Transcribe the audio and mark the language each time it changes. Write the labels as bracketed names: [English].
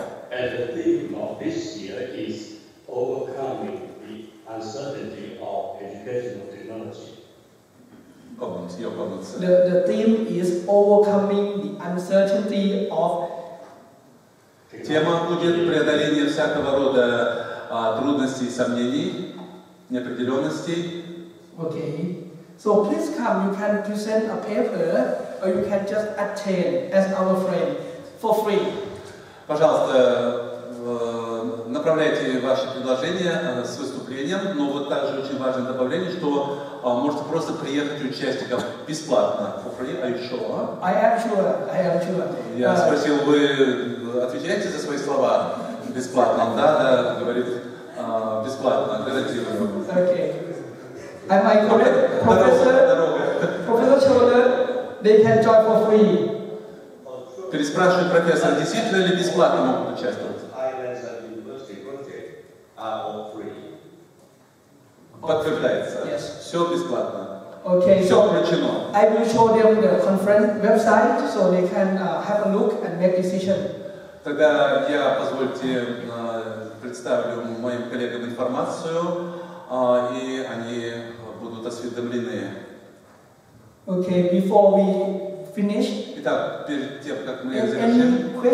[English] And the theme of this year is overcoming the uncertainty of educational technology. Comment, your comments. The theme is overcoming the uncertainty of [Russian] Тема будет преодоление всякого рода трудностей, сомнений, неопределенностей. [English] Okay. So please come, you can present a paper or you can just attend as our friend for free. [Russian] Пожалуйста, направляйте ваши предложения с выступлением, но вот также очень важное добавление, что можете просто приехать участникам бесплатно. [English] For free, are you sure? I am sure. [Russian] Я спросил, вы отвечаете за свои слова бесплатно? Да, да, говорит. Бесплатно, гарантированно. [English] Okay. Am I correct? Professor Chawla, they can join for free. [Russian] Переспрашивает профессор, действительно ли бесплатно могут участвовать? [English] Islands and university projects are all free. [Russian] Подтверждается. [English] Yes. [Russian] Все бесплатно. [English] Okay. [Russian] Все включено. [English] I will show them the conference website, so they can have a look and make decision. [Russian] Тогда я, позвольте, представлю моим коллегам информацию, и они будут осведомлены. [English] Okay, before we finish. [Russian] Итак, перед тем, как мы завершили.